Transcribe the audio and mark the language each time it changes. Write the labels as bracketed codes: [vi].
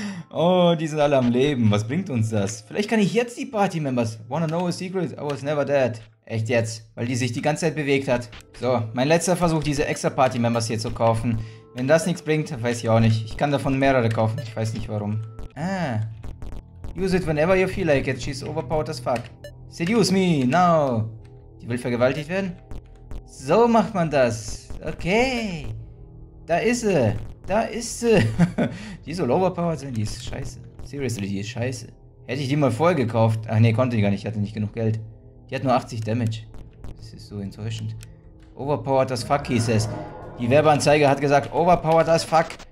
[de] Oh, die sind alle am Leben. Was bringt uns das? Vielleicht kann ich jetzt die Party-Members. [en] Wanna know a secret? I was never dead. [de] Echt jetzt? Weil die sich die ganze Zeit bewegt hat. So, mein letzter Versuch, diese extra Party-Members hier zu kaufen. Wenn das nichts bringt, weiß ich auch nicht. Ich kann davon mehrere kaufen. Ich weiß nicht warum. Ah. [en] Use it whenever you feel like it. She's overpowered as fuck. Seduce me now. [de] Die will vergewaltigt werden? So macht man das. Okay. Da ist sie. Da ist sie. Die soll overpowered sein. Die ist scheiße. Seriously, die ist scheiße. Hätte ich die mal vorher gekauft. Ach nee, konnte ich gar nicht. Ich hatte nicht genug Geld. Die hat nur 80 Damage. Das ist so enttäuschend. Overpowered as fuck hieß es. Die Werbeanzeige hat gesagt, [en] overpowered as fuck.